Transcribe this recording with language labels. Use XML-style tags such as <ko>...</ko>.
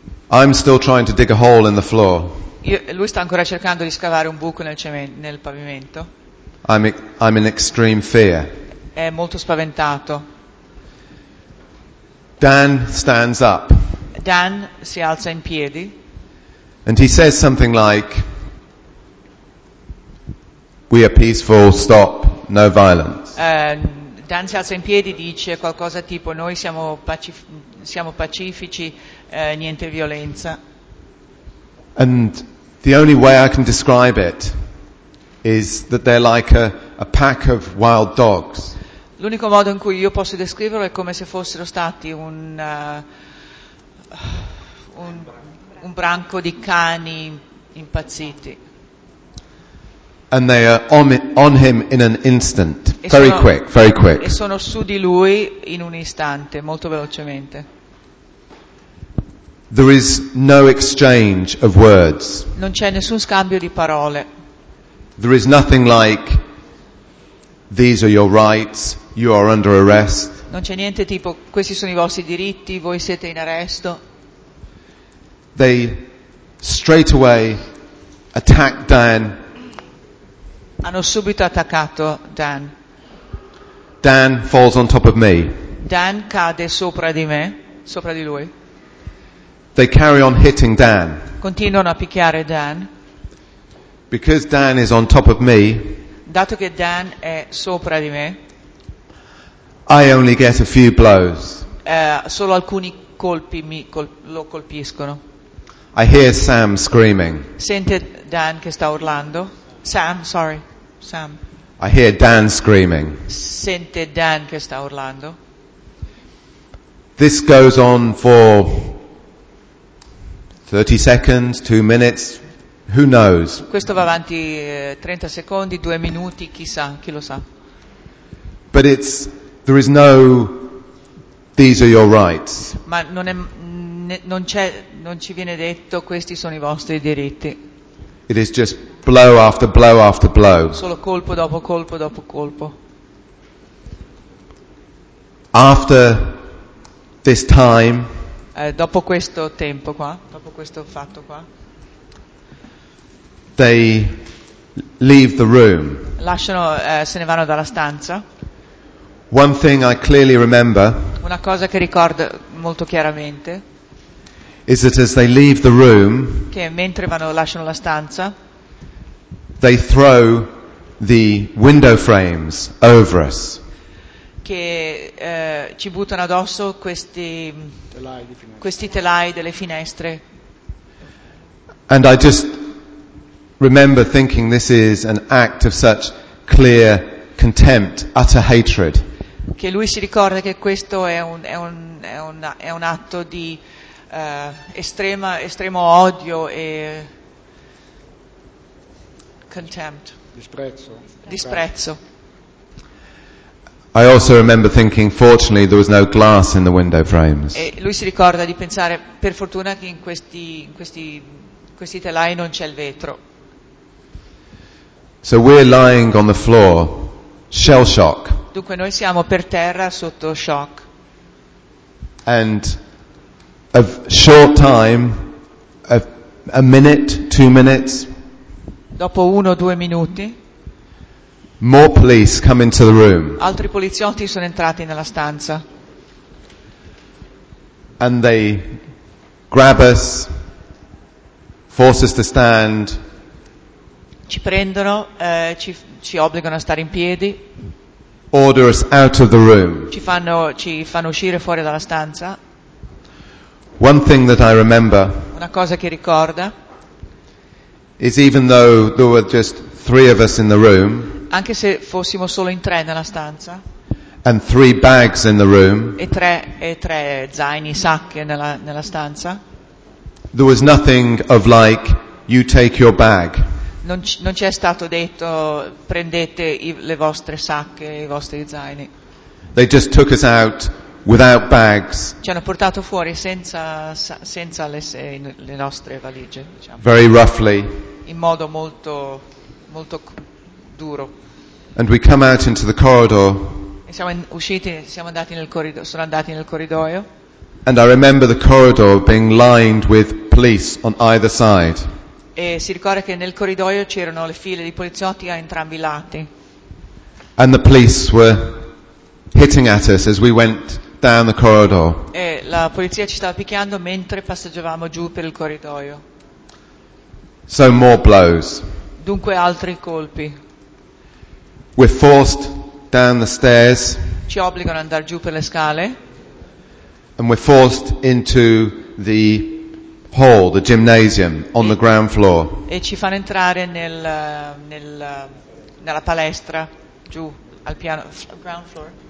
<en>I'm still trying to dig a hole in the floor.</en> <it>Lui sta ancora cercando di scavare un buco nel pavimento.</it> <en>I'm in extreme fear.</en> <it>È molto spaventato.</it> <en>Dan stands up.</en> <it>Dan si alza in piedi.</it> <en>And he says something like, "We are peaceful, stop, no violence."</en> <it>Dan si alza in piedi e dice qualcosa tipo, "Noi siamo pacifici, niente violenza."</it> <en>And the only way I can describe it is that they're like a pack of wild dogs.</en> <it>L'unico modo in cui io posso descriverlo è come se fossero stati un branco di cani impazziti.</it> <en>And they are on him in an instant, very quick, very quick.</en> <it>E sono su di lui in un istante, molto velocemente.</it> <en>There is no exchange of words.</en> <it>Non c'è nessun scambio di parole.</it> <en>There is nothing like, "These are your rights, you are under arrest."</en> <it>Non c'è niente tipo, "Questi sono i vostri diritti, voi siete in arresto."</it> <en>They straight away attack Dan</en> <it>hanno subito attaccato Dan.</it> <en>Dan falls on top of me.</en> <it>Dan cade sopra di me, sopra di lui.</it> <en>They carry on hitting Dan.</en> <it>Continuano a picchiare Dan.</it> <en>Because Dan is on top of me.</en> <it>Dato che Dan è sopra di me.</it> <en>I only get a few blows.</en> <it>Solo alcuni colpi lo colpiscono.</it> <en>I hear Sam screaming.</en> <it>Sente Dan che sta urlando. Sam,</it> <en>sorry,</en> <it>Sam.</it> <en>I hear Dan screaming.</en> <it>Sente Dan che sta urlando.</it> <en>This goes on for 30 seconds, 2 minutes, who knows?</en> <it>Questo va avanti 30 secondi, 2 minuti, chissà, chi lo sa.</it> <en>But it's there is no these are your rights.</en> <it>Ma non è non ci viene detto questi sono i vostri diritti.</it> <en>It is just blow after blow after blow.</en> <it>Solo colpo dopo colpo dopo colpo.</it> <en>After this time,</en> <it>dopo questo tempo qua, dopo questo fatto qua,</it> <en>they leave the room.</en> <it>Lasciano, se ne vanno dalla stanza.</it> <en>One thing I clearly remember.</en> <it>Una cosa che ricordo molto chiaramente.</it> <en>Is that as they leave the room,</en> <it>che mentre vanno lasciano la stanza,</it> <en>they throw the window frames over us.</en> <it>Che ci buttano addosso questi telai delle finestre.</it> <en>And I just remember thinking this is an act of such clear contempt, utter hatred.</en> <it>Che lui si ricorda che questo è un atto di estremo odio e contempt. Disprezzo.</it> <en>I also remember thinking, fortunately, there was no glass in the window frames.</en> <it>E lui si ricorda di pensare, per fortuna, che in questi telai non c'è il vetro.</it> <en>So we're lying on the floor, shell shock.</en> <it>Dunque noi siamo per terra sotto shock.</it> <en>And a short time, a minute, 2 minutes.</en> <it>Dopo 1 o 2 minuti.</it> <en>More police come into the room.</en> <it>Altri poliziotti sono entrati nella stanza.</it> <en>And they grab us, force us to stand.</en> <it>Ci prendono, ci obbligano a stare in piedi.</it> <en>Order us out of the room.</en> <it>Ci fanno uscire fuori dalla stanza.</it> <en>One thing that I remember.</en> <it>Una cosa che ricorda.</it> <en>Is even though there were just 3 of us in the room.</en> <it>Anche se fossimo solo in 3 nella stanza.</it> <en>And 3 bags in the room.</en> <it>E tre zaini, sacche nella stanza.</it> <en>There was nothing of like you take your bag.</en> <it>Non c'è stato detto prendete le vostre sacche, i vostri zaini.</it> <en>They just took us out without bags.</en> <it>Ci hanno portato fuori senza le nostre valigie, diciamo.</it> <en>Very roughly.</en> <it>In modo molto molto duro.</it> <en>And we come out into the corridor.</en> <it>E sono andati nel corridoio.</it> <en>And I remember the corridor being lined with police on either side.</en> <it>E si ricorda che nel corridoio c'erano le file di poliziotti a entrambi i lati.</it> <en>And the police were hitting at us as we went down the corridor.</en> <it>E la polizia ci stava picchiando mentre passeggiavamo giù per il corridoio.</it> <en>So more blows.</en> <it>Dunque altri colpi.</it> <en>We're forced down the stairs.</en> <it>Ci obbligano ad andare giù per le scale.</it> <en>And we're forced into the hall, the gymnasium, on the ground floor.</en> <it>E ci fanno entrare nella palestra giù al piano</it> <en>ground floor.</en>